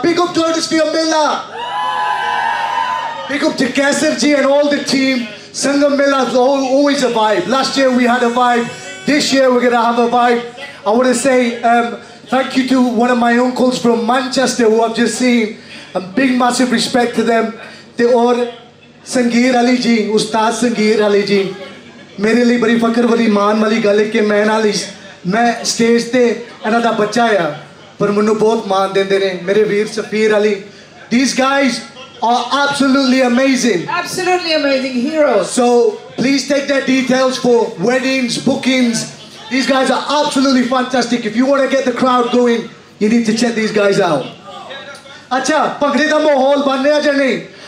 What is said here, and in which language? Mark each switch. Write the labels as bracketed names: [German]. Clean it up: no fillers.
[English] Big up to Huddersfield Mela. Big up to Kesar Ji and all the team. Sangam Mela is always a vibe. Last year we had a vibe. this year we're going to have a vibe. I want to say thank you to one of my uncles from Manchester who I've just seen. A big massive respect to them. They are Sangeer Ali Ji, Ustaz Sangeer Ali Ji. [Punjabi] ਮੇਰੇ ਲੀਏ ਬੜੀ ਫ਼ਖ਼ਰ ਵਾਲੀ ਮਾਣ ਵਾਲੀ ਗੱਲ ਕੇ ਮੈਂ ਅਲੀ ਮੈਂ stage ਤੇ ਇੰਨਾ ਦਾ ਬੱਚਾ ਆਇਆ ਪਰ ਮੈਨੂੰ ਬਹੁਤ ਮਾਣ ਦਿੰਦੇ ਨੇ ਮੇਰੇ ਵੀਰ ਸਫ਼ੀਰ Ali. [English] These guys are absolutely amazing. Absolutely amazing heroes. So please take their details for weddings, bookings. These guys are absolutely fantastic. If you want to get the crowd going, you need to check these guys out. [Punjabi] ਅੱਛਾ, ਪੱਗੜੇ ਦਾ ਮਾਹੌਲ ਬਣੇ ਜਾਂ ਨਹੀਂ.